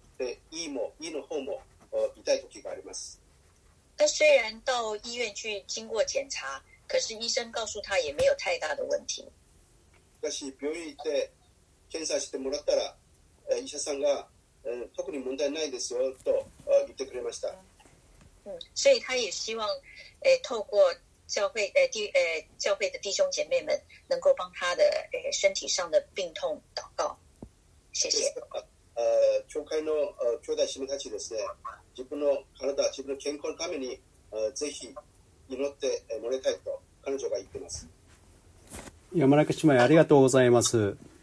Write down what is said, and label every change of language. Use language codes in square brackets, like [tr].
[ja] で、胃の方も痛い時があります。 [zh] 他虽然到医院去经过检查，可是医生告诉他也没有太大的问题。 [ja] しかし病院で検査してもらったら、医者さんが、特に問題ないですよと言ってくれました。 [zh] 所以他也希望、透过教会、教会的弟兄姐妹们能够帮他的、身体上的病痛祷告。谢谢。 [ja] 教会の、兄弟姉妹たちですね、自分の体、自分の健康のために、ぜひ祈ってもらいたいと彼女が言っています。山中姉妹ありがとうございます。